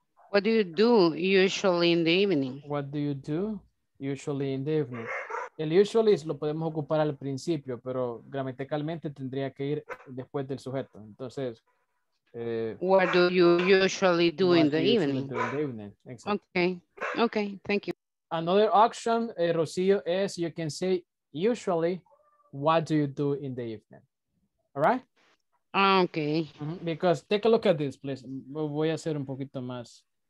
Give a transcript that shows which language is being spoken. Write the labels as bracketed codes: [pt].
[en] What do you do usually in the evening? What do you do usually in the evening? [es] El usually lo podemos ocupar al principio, pero gramaticalmente tendría que ir después del sujeto. Entonces, [en] what do you usually do in the evening? Do in the evening? Okay, thank you. Another option, Rocío, is you can say usually, what do you do in the evening? All right? Okay. Because take a look at this, please. [es] Voy a hacer un poquito más.